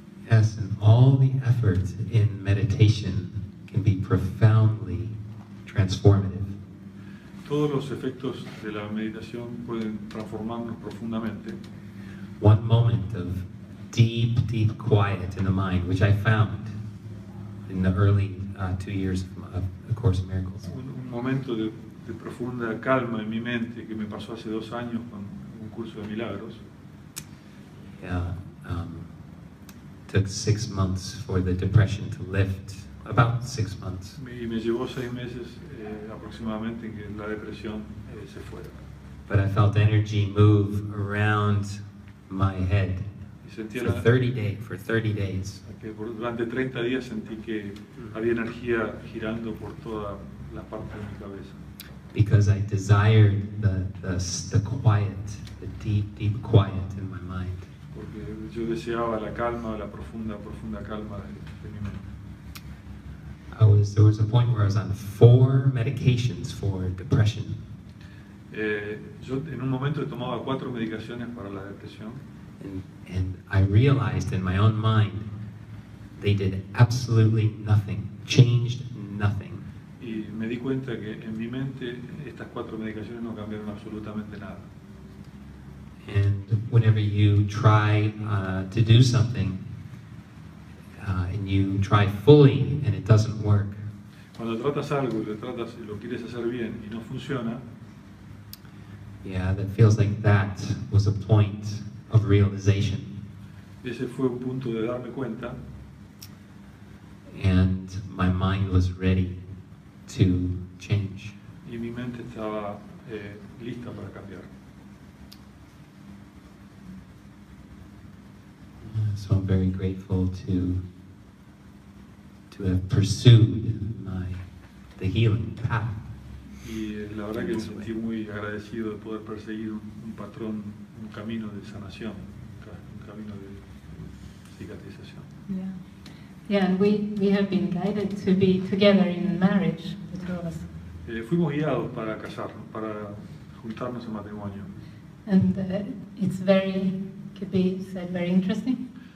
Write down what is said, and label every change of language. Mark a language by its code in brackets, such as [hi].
[en] Yes, and all the effort in meditation can be profoundly transformative. [es] Todos los efectos de la meditación pueden transformarnos profundamente. [en] One moment of deep, deep quiet in the mind, which I found in the early 2 years of A Course in Miracles. [es] Un momento de de profunda calma en mi mente que me pasó hace 2 años con un curso de milagros. [en] Yeah, took 6 months for the depression to lift. About 6 months. [es] Me llevó 6 meses aproximadamente en que la depresión se fuera. [en] But I felt energy move around my head for 30 days. [es] Durante 30 días sentí que había energía girando por toda la parte de mi cabeza. [en] Because I desired the quiet, the deep quiet in my mind. [es] Porque yo deseaba la calma, la profunda calma de mi mente. [en] There was a point where I was on 4 medications for depression. [es] Yo en un momento tomaba 4 medicaciones para la depresión. [en] And I realized in my own mind they did absolutely nothing, changed nothing. [es] Y me di cuenta que en mi mente estas 4 medicaciones no cambiaron absolutamente nada. [en] And whenever you try to do something and you try fully and it doesn't work. [es] Cuando tratas algo y lo quieres hacer bien y no funciona. [en] Yeah, that feels like that was a point of realization. [es] Ese fue un punto de darme cuenta. [en] And my mind was ready to change. [es] Y mi mente estaba lista para cambiar. [en] So I'm very grateful to have pursued the healing path. [es] Y la verdad que me sentí muy agradecido de poder perseguir un patrón, un camino de sanación, un camino de cicatrización. [en] Yeah, and we have been guided to be together in marriage, the two of us. [es] Fuimos guiados para casarnos, para juntarnos en matrimonio. [en] And it's very, could be said, very interesting.